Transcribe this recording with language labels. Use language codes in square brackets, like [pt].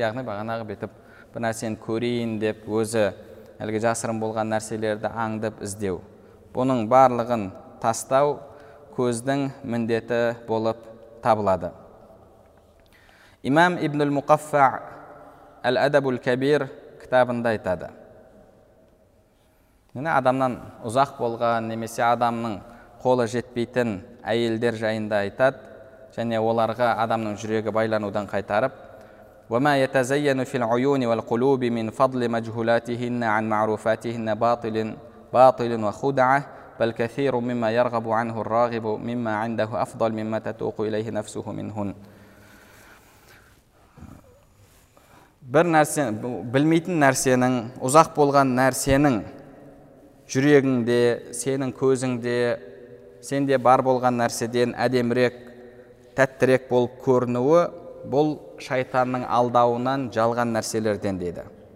[kk] Яғни бағанағы бетіп бір нәрсені көрейін деп өзі әлгі жасырын болған нәрселерді аңдып іздеу. Бұның барлығын тастау көздің міндеті болып табылады. Имам Ибнул Муқаффа Әл-Әдәбул Кәбир кітабында айтады. Міне адамнан ұзақ болған немесе адамның қолы жетпейтін әйелдер жайында айтады және оларға адамның жүрегі байланудан қайтарып: [ar] وَمَا يَتَزَيَّنُ فِي الْعُيُونِ وَالْقُلُوبِ مِنْ فَضْلِ مَجْهُولَاتِهِنَّ عَنْ مَعْرُوفَاتِهِنَّ بَاطِلٌ وَخُدَعَةٌ بَلْ كَثِيرٌ مِمَّا يَرْغَبُ عَنْهُ الرَّاغِبُ مِمَّا عِنْدَهُ أَفْضَلُ مِمَّا تَتُوقُ إِلَيْهِ نَفْسُهُ مِنْهُنَّ. [kk] Бір нәрсе, білмейтін нәрсенің, ұзақ болған нәрсенің жүрегіңде, сенің көзіңде, сенде бар болған нәрседен әдемірек, тәттірек болып көрінуі бұл шайтанның алдауынан, жалған нәрселерден дейді.